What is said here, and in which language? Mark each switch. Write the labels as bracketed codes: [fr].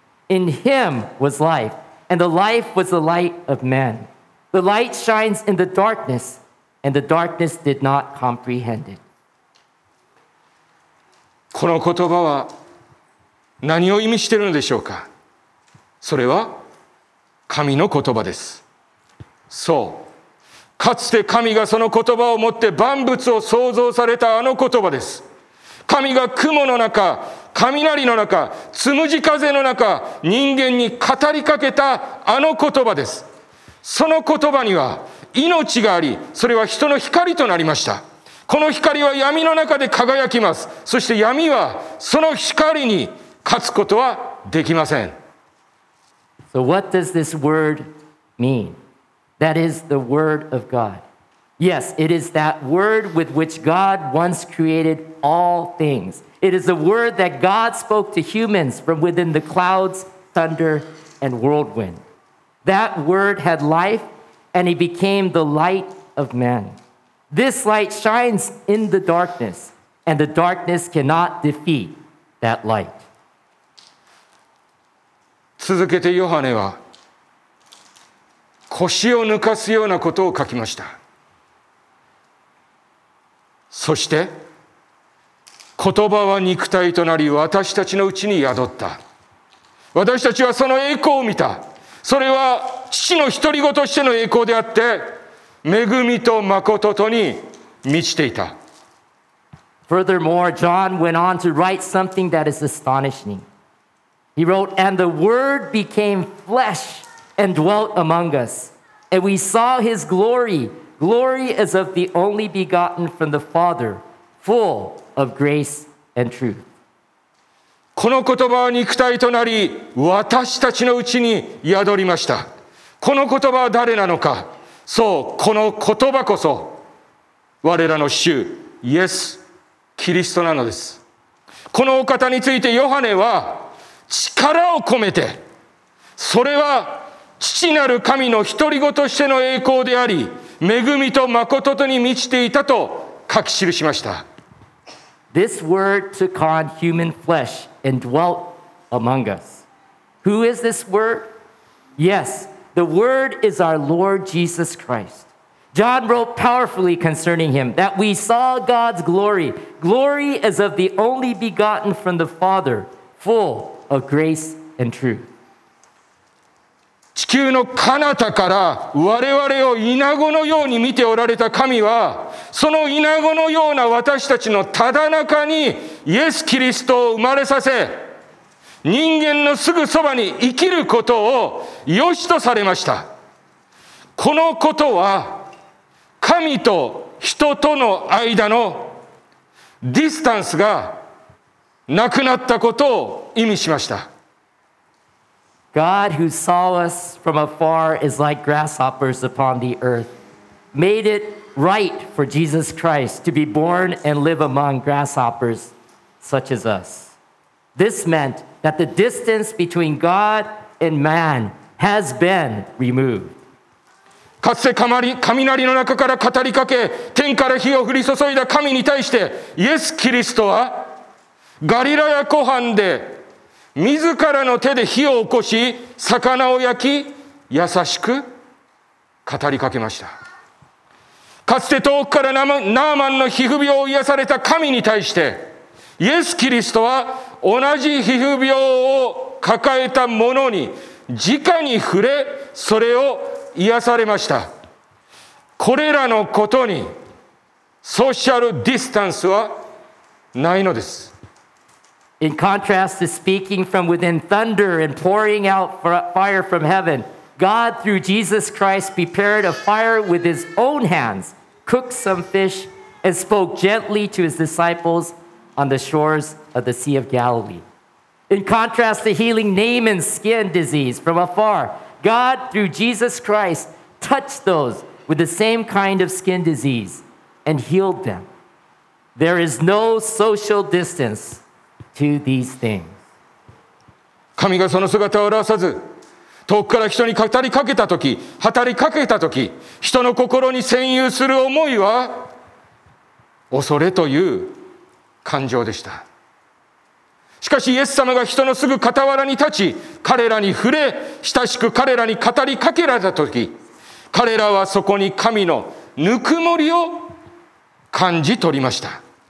[en] In Him was life, and the life was the light of men. The light shines in the darkness, and the darkness did not comprehend it. [ja] この言葉は何を意味しているのでしょうか。それは神の言葉です。そう、かつて神がその言葉を持って万物を創造されたあの言葉です。神が雲の中、雷の中、つむじ風の中、人間に語りかけたあの言葉です。その言葉には命があり、それは人の光となりました。この光は闇の中で輝きます。そして闇はその光に勝つことはできません。 [en] So what does this word mean? That is the word of God. Yes, it is that word with which God once created all things. It is the word that God spoke to humans from within the clouds, thunder, and whirlwind. That word had life, and He became the light of men. This light shines in the darkness, and the darkness cannot defeat that light. [ja] 続けてヨハネは腰を抜かすようなことを書きました。そして言葉は肉体となり私たちのうちに宿った。私たちはその栄光を見た。それは父の独り子としての栄光であって恵みと誠とに満ちていた。 [en] Furthermore, John went on to write something that is astonishing. He wrote, And the Word became flesh and dwelt among us. And we saw His glory, glory as of the only begotten from the Father, full of grace and truth. [ja] この言葉は肉体となり私たちのうちに宿りました。この言葉は誰なのか。そう、この言葉こそ我らの主イエス・キリストなのです。このお方についてヨハネは力を込めて、それは父なる神の独り子としての栄光であり恵みと誠とに満ちていたと書き記しました。 [en] This word took on human fleshAnd dwelt among us. Who is this word? Yes, the word is our Lord Jesus Christ. John wrote powerfully concerning him that we saw God's glory, glory as of the only begotten from the Father, full of grace and truth. [ja] 地球の彼方から我々をイナゴのように見ておられた神は、そのイナゴのような私たちのただ中にイエス・キリストを生まれさせ、人間のすぐそばに生きることを良しとされました。このことは神と人との間のディスタンスがなくなったことを意味しました。 [en] God who saw us from afar is like grasshoppers upon the earth, made it right for Jesus Christ to be born and live among grasshoppers such as us. This meant that the distance between God and man has been removed. [ja] かつて雷の中から語りかけ、天から火を降り注いだ神に対して、イエス・キリストはガリラヤ湖畔で自らの手で火を起こし、魚を焼き、優しく語りかけました。かつて遠くからナーマンの皮膚病を癒された神に対して、イエス・キリストは同じ皮膚病を抱えた者に直に触れ、それを癒されました。これらのことにソーシャルディスタンスはないのです。 [en] In contrast to speaking from within thunder and pouring out fire from heaven, God through Jesus Christ prepared a fire with his own hands cooked some fish and spoke gently to his disciples on the shores of the Sea of Galilee. In contrast to healing Naaman's skin disease from afar, God, through Jesus Christ, touched those with the same kind of skin disease and healed them. There is no social distance to these things. [ja] 神がその姿を現さず、遠くから人に語りかけたとき、働きかけたとき、人の心に占有する思いは、恐れという感情でした。しかしイエス様が人のすぐ傍らに立ち、彼らに触れ、親しく彼らに語りかけられたとき、彼らはそこに神のぬくもりを感じ取りました。